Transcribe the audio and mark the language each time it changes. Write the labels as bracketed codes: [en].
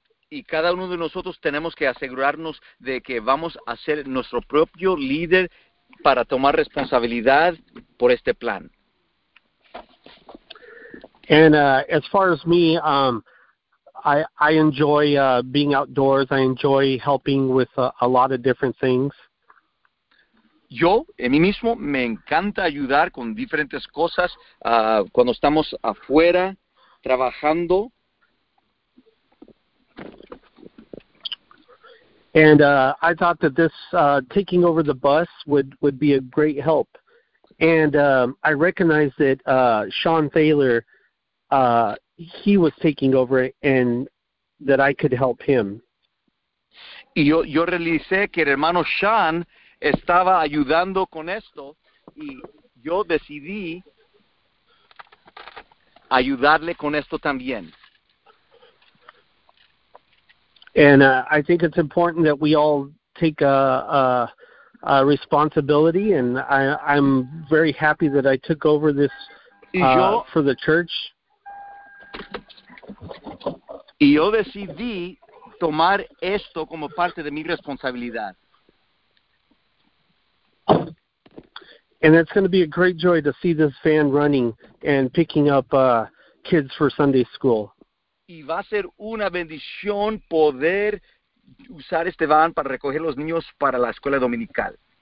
[es] Y cada uno de nosotros tenemos que asegurarnos de que vamos a ser nuestro propio líder para tomar responsabilidad por este plan. [en] And as far as me, I enjoy being outdoors. I enjoy helping with a lot of different things. [es] Yo, en mí mismo, me encanta ayudar con diferentes cosas cuando estamos afuera trabajando. [en] And I thought that this taking over the bus would be a great help. And I recognized that Sean Thaler, he was taking over it and that I could help him. [es] Y yo realicé que el hermano Sean estaba ayudando con esto y yo decidí ayudarle con esto también. [en] And I think it's important that we all take a responsibility, and I'm very happy that I took over this for the church. [es] Y yo decidí tomar esto como parte de mi responsabilidad. [en] And it's going to be a great joy to see this van running and picking up kids for Sunday school. [es] Y va a ser una bendición poder usar este van para recoger los niños para la escuela dominical.